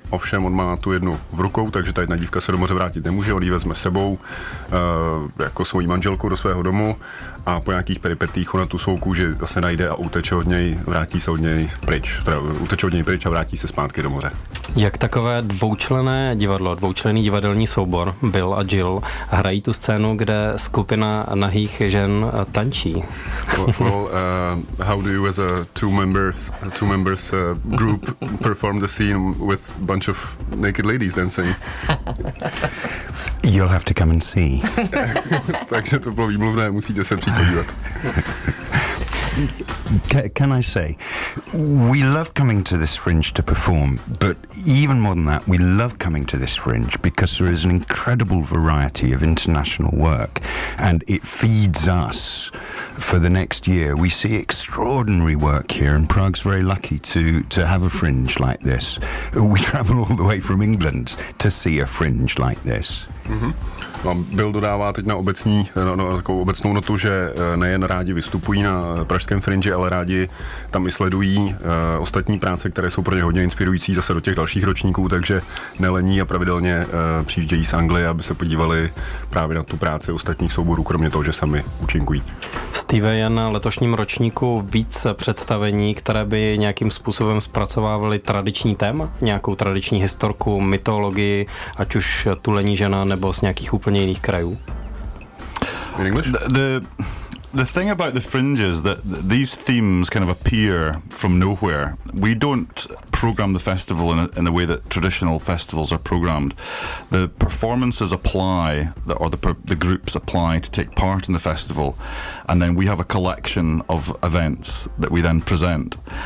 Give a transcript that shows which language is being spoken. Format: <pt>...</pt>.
<cs>Ovšem on má tu jednu v rukou, takže ta jedna dívka se do moře vrátit nemůže, on ji vezme sebou jako svoji manželku do svého domu a po nějakých peripetích ona tu svou kůži zase najde a uteče od něj, vrátí se od něj pryč. Uteče od něj pryč a vrátí se zpátky do moře. Jak takové dvoučlenný divadelní soubor, Bill a Jill, hrají tu scénu, kde skupina nahých žen tančí?</cs> <en>How do you, as a two members group, perform the scene with a bunch of naked ladies dancing? You'll have to come and see.</en> <cs>Takže to bylo výmluvné, musíte se přijít podívat.</cs> <en>Can I say, we love coming to this Fringe to perform, but even more than that, we love coming to this Fringe because there is an incredible variety of international work and it feeds us for the next year. We see extraordinary work here and Prague's very lucky to have a Fringe like this. We travel all the way from England to see a Fringe like this. Mm-hmm.</en> <cs>Bill dodává teď na obecní, na takovou obecnou notu, že nejen rádi vystupují na pražském Fringe, ale rádi tam i sledují ostatní práce, které jsou pro ně hodně inspirující zase do těch dalších ročníků, takže nelení a pravidelně přijíždějí z Anglie, aby se podívali právě na tu práci ostatních souborů, kromě toho, že sami účinkují. Steve, je na letošním ročníku víc představení, které by nějakým způsobem zpracovávaly tradiční téma, nějakou tradiční historku, mytologii, ať už tulení žena nebo z nějakých úplně jiných krajů.</cs> <en>In English? The thing about the Fringe is that these themes kind of appear from nowhere. We don't program the festival in the way that traditional festivals are programmed. The performances apply, or the groups apply to take part in the festival, and then we have a collection of events that we then present.</en>